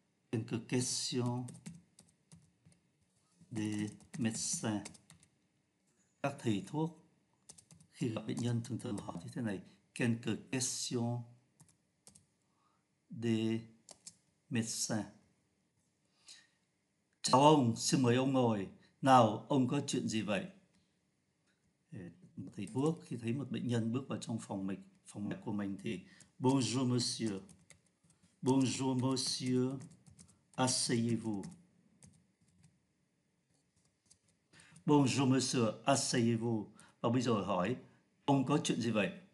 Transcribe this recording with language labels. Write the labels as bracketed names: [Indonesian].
[French] Quelques questions des médecins. [Vietnamese] Các thầy thuốc khi gặp bệnh nhân thường thường hỏi như thế này. [French] Quelques questions des médecins. [Vietnamese] Chào ông, xin mời ông ngồi. Nào, ông có chuyện gì vậy? Thầy thuốc khi thấy một bệnh nhân bước vào trong phòng mạch của mình thì [French] bonjour monsieur, asseyez-vous. Bonjour monsieur, asseyez-vous. [Vietnamese] Và bây giờ hỏi, ông có chuyện gì vậy?